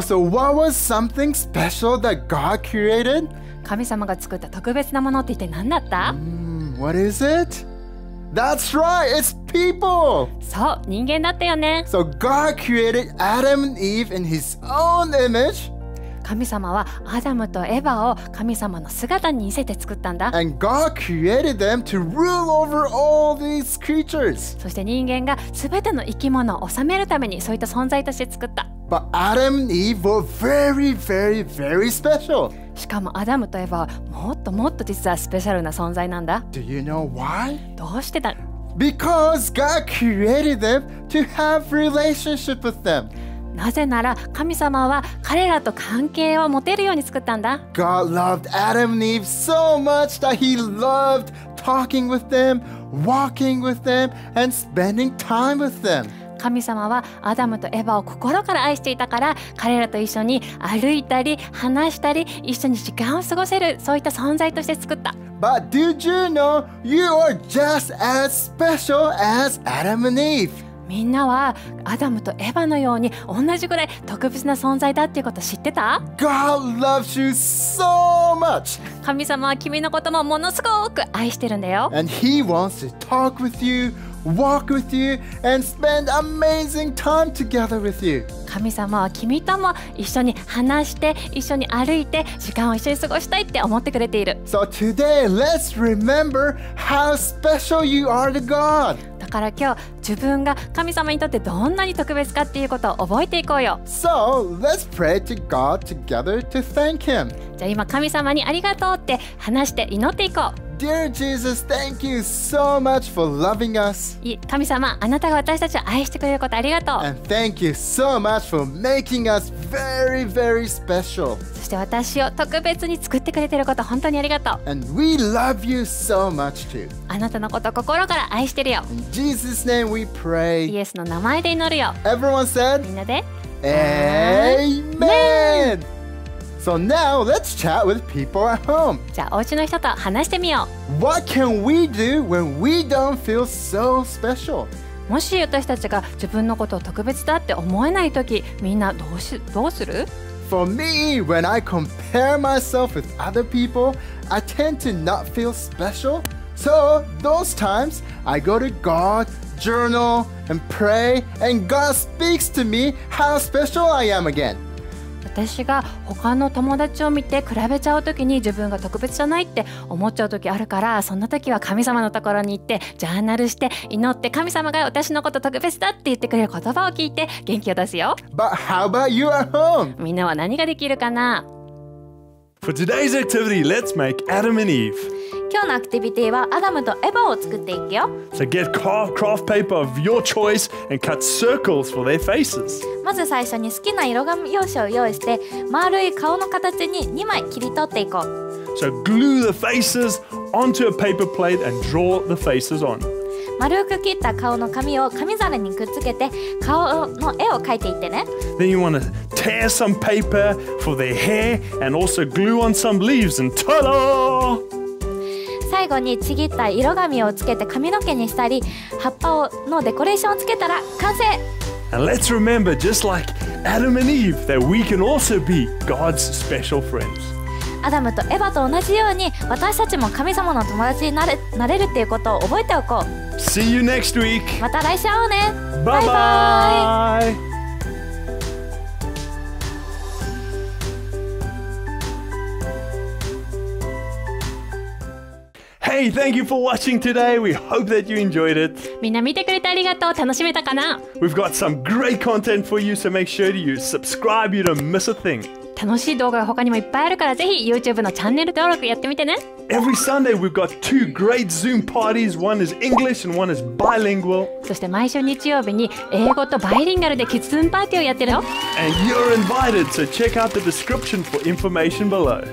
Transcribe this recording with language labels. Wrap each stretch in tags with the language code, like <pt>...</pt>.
<en>So what was something special that God created?</en> <ja>神様が作った特別なものって一体何だった</ja> <en>What is it? That's right! It's people!</en> <ja>そう、人間だったよね。</ja> <en>So God created Adam and Eve in His own image.</en> <ja>神様はアダムとエヴァを神様の姿に似せて作ったんだ。</ja> <en>And God created them to rule over all these creatures.</en> <ja>そして人間が全ての生き物を治めるためにそういった存在として作った。</ja> <en>But Adam and Eve were very, very, very special.</en> <ja>しかもアダムとエヴァはもっともっと実はスペシャルな存在なんだ。</ja> <en>Do you know why?</en> <ja>どうしてだ?</ja> <en>Because God created them to have relationship with them.</en> <ja>なぜなら神様は彼らと関係を持てるように作ったんだ。</ja> <en>God loved Adam and Eve so much that he loved talking with them, walking with them, and spending time with them.</en> <ja>神様はアダムとエヴァを心から愛していたから彼らと一緒に歩いたり話したり一緒に時間を過ごせるそういった存在として作った。</ja> <en>But did you know you are just as special as Adam and Eve?</en> <ja>みんなはアダムとエヴァのように同じくらい特別な存在だっていうこと知ってた?</ja> <en>God loves you so much!</en> <ja>神様は君のこともものすごく愛してるんだよ。</ja> <en>And he wants to talk with you, walk with you, and spend amazing time together with you.</en> <ja>神様は君とも一緒に話して、一緒に歩いて、時間を一緒に過ごしたいって思ってくれている。</ja> <en>So today, let's remember how special you are to God!</en> <ja>だから今日自分が神様にとってどんなに特別かっていうことを覚えていこうよ。</ja> <en>So, let's pray to God together to thank Him.</en> <ja>じゃあ今神様にありがとうって話して祈っていこう。</ja> <en>Dear Jesus, thank you so much for loving us.</en> <ja>神様、あなたが私たちを愛してくれることありがとう。</ja> <en>And thank you so much for making us very, very special.</en> <ja>そして私を特別に作ってくれてること本当にありがとう。</ja> <en>And we love you so much too.</en> <ja>あなたのこと心から愛してるよ。</ja> <en>In Jesus' name we pray.</en> <ja>イエスの名前で祈るよ。</ja> <en>Everyone said?</en> <ja>みんなで</ja> <en>Amen! So now let's chat with people at home.</en> <ja>じゃあお家の人と話してみよう。</ja> <en>What can we do when we don't feel so special?</en> <ja>もし私たちが自分のことを特別だって思えないとき、みんなどうする?</ja> <en>For me, when I compare myself with other people, I tend to not feel special. So, those times, I go to God, journal, and pray, and God speaks to me how special I am again.</en> <ja>私が他の友達を見て比べちゃうときに自分が特別じゃないって思っちゃうときあるから、そんなときは神様のところに行って、ジャーナルして、祈って、神様が私のこと特別だって言ってくれる言葉を聞いて、元気を出すよ。</ja> <en>But how about you at home?</en> <ja>みんなは何ができるかな?</ja> <en>For today's activity, let's make Adam and Eve.</en> <ja>今日のアクティビティはアダムとエヴァを作っていくよ。</ja> <en>So get craft paper of your choice and cut circles for their faces.</en> <ja>まず最初に好きな色紙用紙を用意して丸い顔の形に2枚切り取っていこう。</ja> <en>So glue the faces onto a paper plate and draw the faces on.</en> <ja>丸く切った顔の紙を紙皿にくっつけて顔の絵を描いていってね。</ja> <en>Then you want to tear some paper for their hair and also glue on some leaves and ta-da!</en> <ja>最後にちぎった色紙をつけて髪の毛にしたり葉っぱのデコレーションをつけたら完成。</ja> <en>And let's remember, just like Adam and Eve, that we can also be God's special friends.</en> <ja>Adam and Eva と同じように、私たちも神様の友達になれ、なれるっていうことを覚えておこう。</ja> <en>See you next week.</en> <ja>また来週会おうね。バイバイ。</ja> <en>Hey, thank you for watching today. We hope that you enjoyed it.</en> <ja>みんな見てくれてありがとう。楽しめたかな?</ja> <en>We've got some great content for you, so make sure you subscribe, you don't miss a thing.</en> <ja>楽しい動画が他にもいっぱいあるから、ぜひ YouTube のチャンネル登録やってみてね。</ja> <en>Every Sunday, we've got two great Zoom parties. One is English and one is bilingual.</en> <ja>そして毎週日曜日に英語とバイリンガルでキッズズームパーティーをやってるよ。</ja> <en>And you're invited, so check out the description for information below.</en>